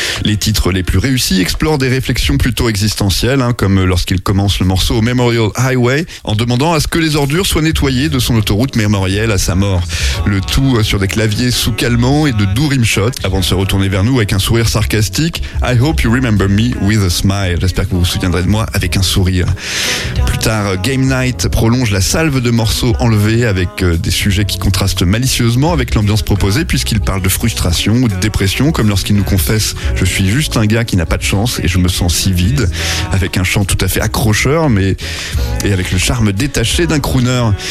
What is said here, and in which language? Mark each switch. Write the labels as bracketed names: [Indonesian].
[French] Les titres les plus réussis explorent des réflexions plutôt existentielles, comme lorsqu'il commence le morceau au Memorial Highway en demandant à ce que les ordures soient nettoyées de son autoroute mémorielle à sa mort. Le tout sur des claviers sous calmants et de doux rimshots, avant de se retourner vers nous avec un sourire sarcastique. [English] I hope you remember me with a smile. [French] J'espère que vous vous souviendrez de moi avec un sourire. Plus tard, Game Night prolonge la salve de morceaux enlevés avec des sujets qui contrastent malicieusement avec l'ambiance proposée, puisqu'il parle de frustration ou de dépression, comme lorsqu'il nous confesse « Je suis juste un gars qui n'a pas de chance et je me sens si vide », avec un chant tout à fait accrocheur, mais et avec le charme détaché d'un crooner.